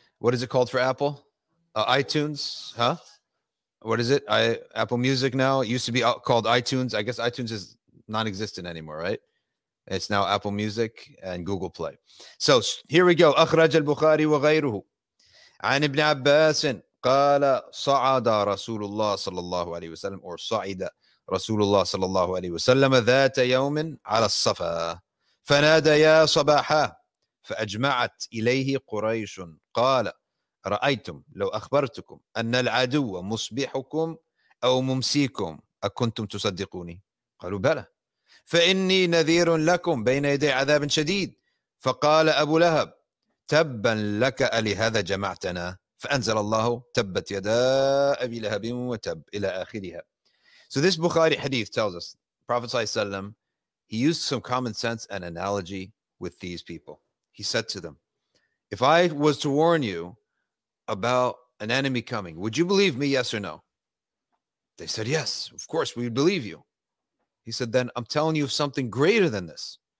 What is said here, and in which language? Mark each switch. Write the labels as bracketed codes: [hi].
[en] What is it called for Apple? iTunes, huh? What is it? Apple Music now. It used to be called iTunes. I guess iTunes is non-existent anymore, right? It's now Apple Music and Google Play. So here we go. [ar] أخرج البخاري وغيره عن ابن عباس قال صعد رسول الله صلى الله عليه وسلم or صعد رسول الله صلى الله عليه وسلم ذات يوم على الصفا فنادى يا صباحا فأجمعت إليه قريش قال رأيتم لو أخبرتكم أن العدو مصبحكم أو ممسيكم أكنتم تصدقوني قالوا بلى فإني نذير لكم بين يدي عذاب شديد فقال أبو لهب تبا لك ألهذا جمعتنا فأنزل الله تبت يدا أبي لهب وتب إلى آخرها. [en] So this Bukhari hadith tells us, Prophet ﷺ, he used some common sense and analogy with these people. He said to them, if I was to warn you about an enemy coming, would you believe me, yes or no? They said, yes, of course, we would believe you. He said, then I'm telling you something greater than this.